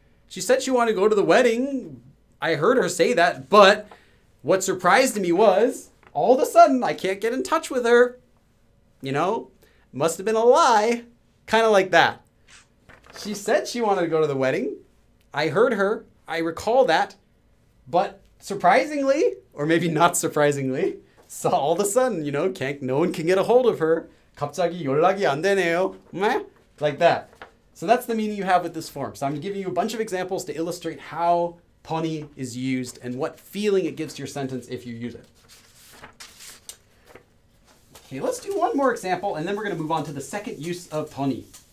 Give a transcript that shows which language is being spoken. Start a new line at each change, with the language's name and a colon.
English: She said she wanted to go to the wedding. I heard her say that, but what surprised me was all of a sudden I can't get in touch with her. You know, Must have been a lie. Kind of like that. She said she wanted to go to the wedding. I heard her. I recall that. But surprisingly, or maybe not surprisingly, so all of a sudden, you know, can't, no one can get a hold of her.
Korean: 갑자기 연락이 안 되네요.
English: Like that. So that's the meaning you have with this form. So I'm giving you a bunch of examples to illustrate how 번이 is used and what feeling it gives to your sentence if you use it. Okay, let's do one more example, and then we're going to move on to the second use of 번이.